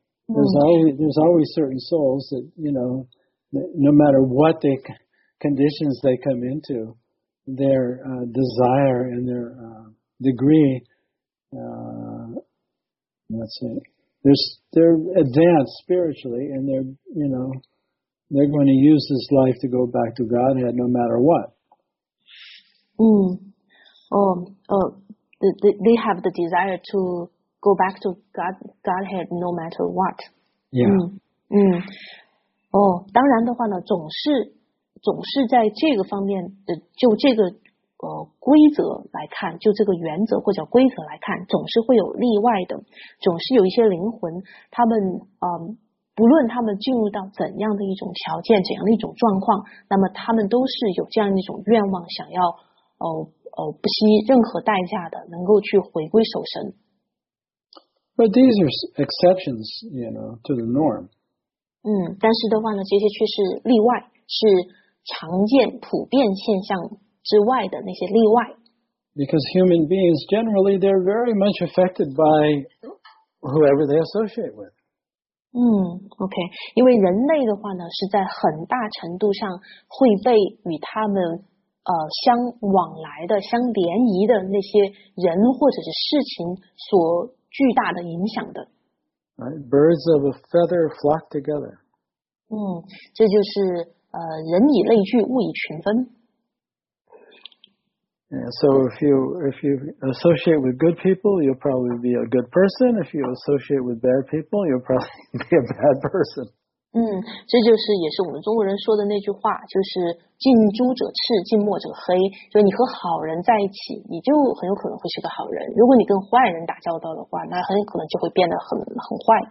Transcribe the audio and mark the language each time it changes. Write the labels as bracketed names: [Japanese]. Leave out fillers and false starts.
[English] There's always certain souls that, you know, no matter what the conditions they come into, their desire and their degree, let's see, they're advanced spiritually and they're, you know,They're going to use this life to go back to Godhead no matter what. They have the desire to go back to Godhead no matter what. Yeah. [Chinese] 当然的话呢，总是在这个方面，就这个规则来看，就这个原则或者规则来看，总是会有例外的，总是有一些灵魂，他们不论他们进入到怎样的一种条件，怎样的一种状况，那么他们都是有这样一种愿望，想要不惜任何代价的能够去回归守神。 [English] But these are exceptions, you know, to the norm. [Chinese] 但是的话呢，这些却是例外，是常见普遍现象之外的那些例外。 [English] Because human beings generally they're very much affected by whoever they associate with. [Chinese] OK, 因为人类的话呢是在很大程度上会被与他们相往来的相联谊的那些人或者是事情所巨大的影响的。 [English] Right, birds of a feather flock together. [Chinese] 这就是人以类聚物以群分。 [English] Yeah, so if you associate with good people, you'll probably be a good person. If you associate with bad people, you'll probably be a bad person. [Chinese] 这就是也是我们中国人说的那句话，就是近朱者赤，近墨者黑。就你和好人在一起，你就很有可能会是个好人。如果你跟坏人打交道的话，那很有可能就会变得很坏。